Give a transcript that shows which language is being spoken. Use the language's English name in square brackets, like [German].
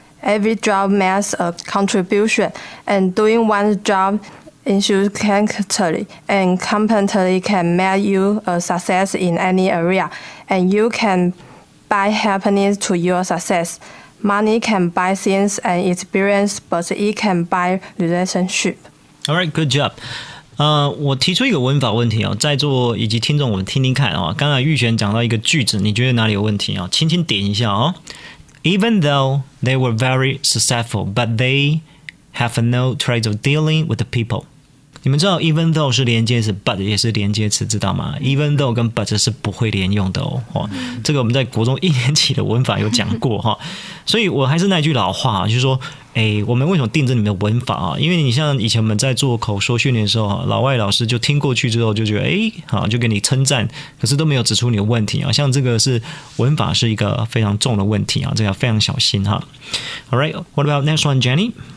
[English] Every job makes a contribution, and doing one job insignificantly and competently can make you a success in any area, and you canBuy happiness to your success. Money can buy things and experience, but it can buy relationship. All right, good job. [Chinese] 我提出一个文法问题哦，在座以及听众，我们听听看哦。刚才玉璇讲到一个句子，你觉得哪里有问题哦？轻轻点一下哦。 [English] Even though they were very successful, but they have no trace of dealing with the people. [Chinese] 你们知道 even though 是连接词 but 也是连接词知道吗 even though 跟 but 是不会连用的 这个我们在国中一年级的文法有讲过、所以我还是那句老话就是说、我们为什么定制你们的文法、因为你像以前我们在做口说训练的时候老外老师就听过去之后就觉得、就给你称赞可是都没有指出你的问题、像这个是文法是一个非常重的问题、这个要非常小心、 [English] Alright, what about next one Jenny?